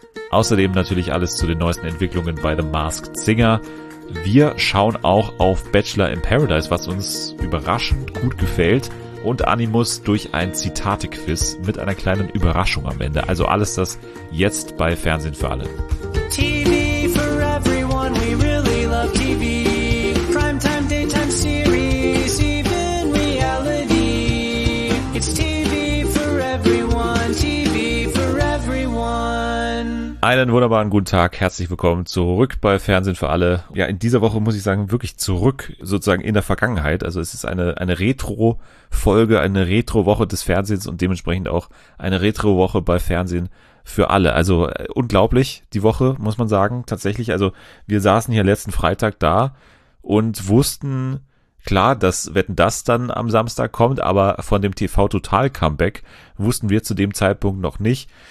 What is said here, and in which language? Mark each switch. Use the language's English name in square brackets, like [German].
[German] Außerdem natürlich alles zu den neuesten Entwicklungen bei The Masked Singer. Wir schauen auch auf Bachelor in Paradise, was uns überraschend gut gefällt. Und Animus durch ein Zitate-Quiz mit einer kleinen Überraschung am Ende. Also alles das jetzt bei Fernsehen für alle. [English] TV for everyone, we really love TV. Primetime, daytime series, even reality. It's TV for everyone, TV for everyone. [German] Einen wunderbaren guten Tag, herzlich willkommen zurück bei Fernsehen für alle. Ja, in dieser Woche muss ich sagen, wirklich zurück sozusagen in der Vergangenheit. Also es ist eine Retro-Folge, eine Retro-Woche des Fernsehens und dementsprechend auch eine Retro-Woche bei Fernsehen für alle. Also unglaublich die Woche, muss man sagen, tatsächlich. Also wir saßen hier letzten Freitag da und wussten, klar, dass Wetten, dass dann am Samstag kommt, aber von dem TV-Total-Comeback wussten wir zu dem Zeitpunkt noch nicht.